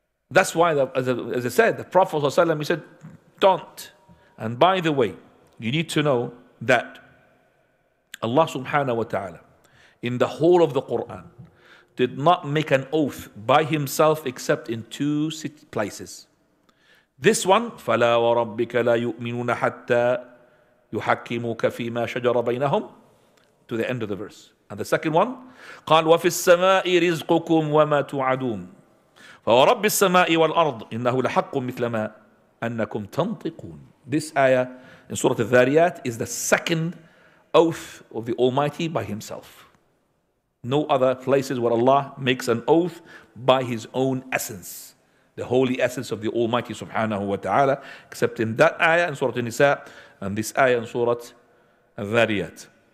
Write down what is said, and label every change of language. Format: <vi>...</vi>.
<en>That's why, as I said, the Prophet ﷺ, he said, "Don't." And by the way, you need to know that Allah subhanahu wa ta'ala, in the whole of the Quran, did not make an oath by himself except in two places. This one,</en> <ar>"فَلَا وَرَبِّكَ لَا يُؤْمِنُونَ حَتَّى يُحَكِّمُكَ فِي مَا شَجَرَ بَيْنَهُمْ,"</ar> <en>to the end of the verse.</en> <ar>And the second one, قَالْ وَفِي السَّمَاءِ رِزْقُكُمْ وَمَا تُعَدُونَ فَوَرَبِّ السَّمَاءِ وَالْأَرْضِ إِنَّهُ لَحَقٌّ مِثْلَ مَا أَنَّكُمْ تَنْطِقُونَ.</ar> <en>This ayah in Surah Al-Dhariyat is the second oath of the Almighty by himself. No other places where Allah makes an oath by his own essence, the holy essence of the Almighty subhanahu wa ta'ala, except in that ayah in Surah Al-Nisa and this ayah in Surah Al-Dhariyat.</en>